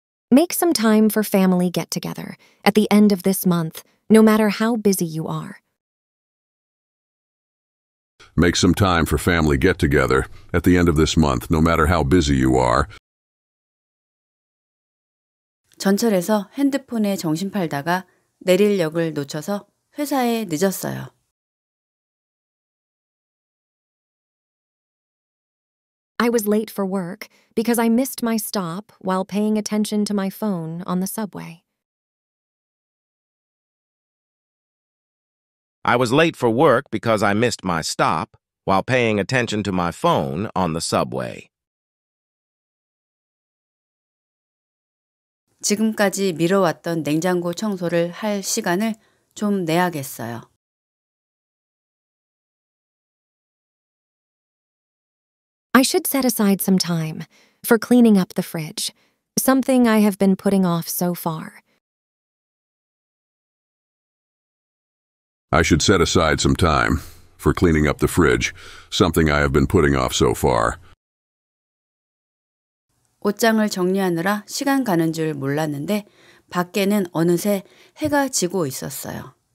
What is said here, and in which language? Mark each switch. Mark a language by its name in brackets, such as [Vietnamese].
[English] Make some time for family get-together at the end of this month, no matter how busy you are. Make some time for family get-together at the end of this month, no matter how busy you are. [Korean] 전철에서 핸드폰에 정신 팔다가 내릴 역을 놓쳐서 회사에 늦었어요. [English] I was late for work because I missed my stop while paying attention to my phone on the subway. I was late for work because I missed my stop while paying attention to my phone on the subway. [Korean] 지금까지 미뤄왔던 냉장고 청소를 할 시간을 좀 내야겠어요. [English] I should set aside some time for cleaning up the fridge, something I have been putting off so far. I should set aside some time for cleaning up the fridge, something I have been putting off so far. [Korean] 옷장을 정리하느라 시간 가는 줄 몰랐는데 밖에는 어느새 해가 지고 있었어요.